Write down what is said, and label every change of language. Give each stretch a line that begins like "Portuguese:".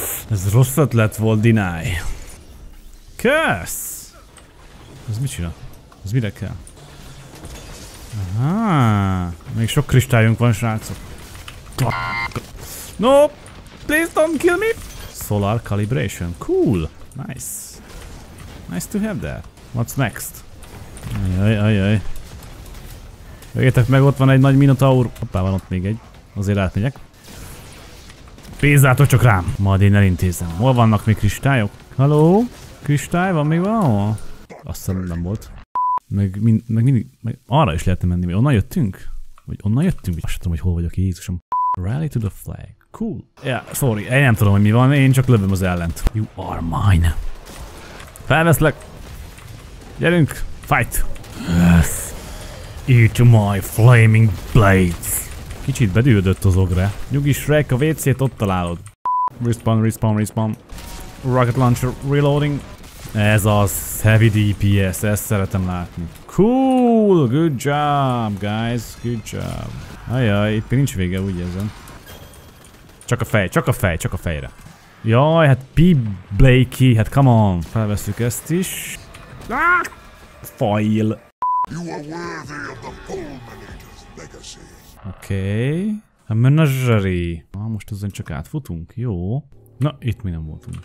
Hungarian: Ez rossz ötlet volt, deny. Kösz! Ez mit csinál? Ez mire kell? Aha, még sok kristályunk van, srácok.
English: No, please don't kill me. Solar calibration, cool, nice. Nice to have that. What's next? Ajaj.
Hungarian: Jöjjétek meg, ott van egy nagy minotaur. Hoppá, van ott még egy. Azért átmegyek. Bízzátok csak rám. Majd én elintézem. Hol vannak még kristályok? Haló? Kristály van még valahol? Azt hiszem nem volt. Meg arra is lehetne menni, hogy onnan jöttünk? Vagy onnan jöttünk? Azt sem tudom, hogy hol vagyok, Jézusom.
English: Rally to the flag. Cool. Yeah, sorry.
Hungarian: Én nem tudom, hogy mi van. Én csak lövöm az ellent.
English: You are mine.
Hungarian: Felveszlek. Gyerünk.
English: Fight. Yes. Eat my flaming blades.
Hungarian: Kicsit bedűödött az ogre. Nyugi Shrek, a WC-t ott találod.
English: Respawn. Rocket launcher reloading.
Hungarian: Ez az heavy DPS, ezt szeretem látni.
English: Cool, good job, guys, good job.
Hungarian: Ajaj, itt nincs vége, úgy érzem. Csak a fejre. Jaj, hát P. Blakey, hát
English: come on.
Hungarian: Felveszük ezt is. Ah! Fail.
English: You are worthy of the full manager's legacy. Okay. A menagerie.
Hungarian: Ah, most ezen csak átfutunk, jó. Na, itt mi nem voltunk.